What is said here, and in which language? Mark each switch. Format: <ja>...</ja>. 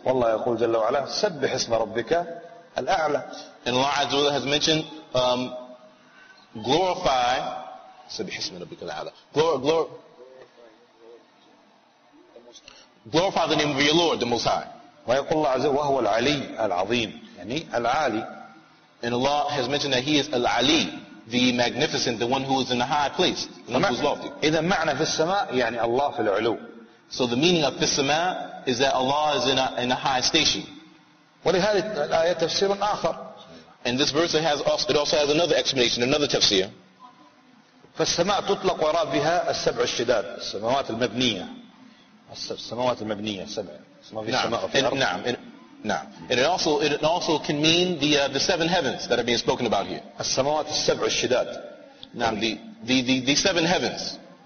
<ar>والله يقول جل وعلا سبح اسم ربك الأعلى.</ar> <en>And Allah عز وجل has mentioned glorify</en> <ar>سبح اسم ربك الأعلى.</ar> <en>Glorify the name of your Lord, the Most High.</en> <ar>ويقول الله عز وجل وهو العلي العظيم يعني العالي.</ar> <en>And Allah has mentioned that He is Al-Ali, the magnificent, the one who is in the high place, the one who is lofty.</en> <ar>إذن معنى في السماء يعني الله في العلو.</ar> <en>So the meaning of</en> <ar>في السماء</ar> <en>is that Allah is in a high station.</en> <ar>ولهذا الآية تفسير آخر.</ar> <en>And this verse it also has another explanation, another tafsir.</en> <ar>فالسماء تطلق وراء بها السبع الشداد السماوات المبنية السماوات المبنية سبع نعم نعم</ar> <en>and it also can mean the seven heavens that are being spoken about here</en> <ar>السماوات السبع الشداد</ar> <en>نعم the seven heavens</en>